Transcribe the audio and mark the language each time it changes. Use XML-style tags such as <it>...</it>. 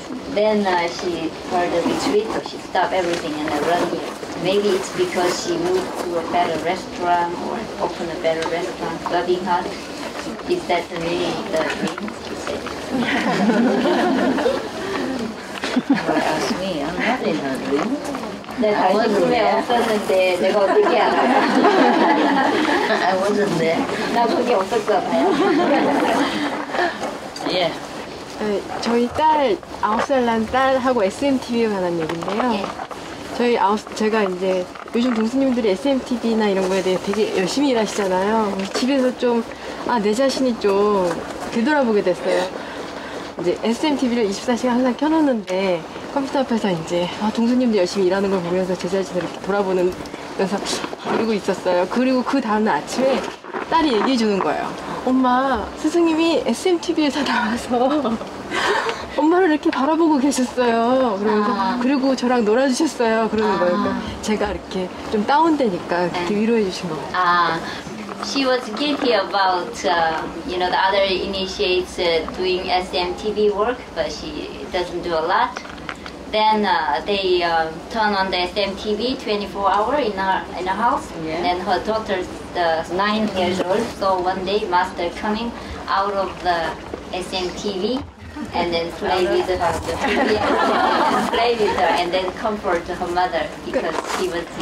<en>Then she heard a retreat, she stopped everything and run here. Maybe it's because she moved to a better restaurant or opened a better restaurant, loving heart. Is that the meaning of the dream? She said. Well, ask me, I'm not in her dream.</en> <ko>네, 당신 꿈에 없었는데 내가 어떻게 알아?</ko> <en>I wasn't there.</en> <ko>나 거기 없었잖아요.</ko> <en>Yeah.</en> <ko>저희 딸, 9살 난 딸하고 SMTV에 관한 얘기인데요. 저희 제가 이제 요즘 동생님들이 SMTV나 이런 거에 대해 되게 열심히 일하시잖아요. 집에서 좀, 아, 내 자신이 좀 되돌아보게 됐어요. 이제 SMTV를 24시간 항상 켜놓는데 컴퓨터 앞에서 이제 아, 동생님들 열심히 일하는 걸 보면서 제 자신을 이렇게 돌아보는 면서 그리고 있었어요. 그리고 그 다음날 아침에 딸이 얘기해 주는 거예요. 엄마, 스승님이 SMTV에서 나와서 엄마를 이렇게 바라보고 계셨어요. 그러면서 아. 그리고 저랑 놀아주셨어요. 그러는 아. 거예요. 그러니까 제가 이렇게 좀 다운되니까 이렇게 위로해 주신 거예요. 아.</ko> <en>She was guilty about, you know, the other initiates doing SMTV work, but she doesn't do a lot. Then they turn on the SMTV 24 hours in a house. Yeah. Then her daughter, 9 years old, saw one day master coming out of the SMTV and then play with her, and then comfort her mother because she was</en>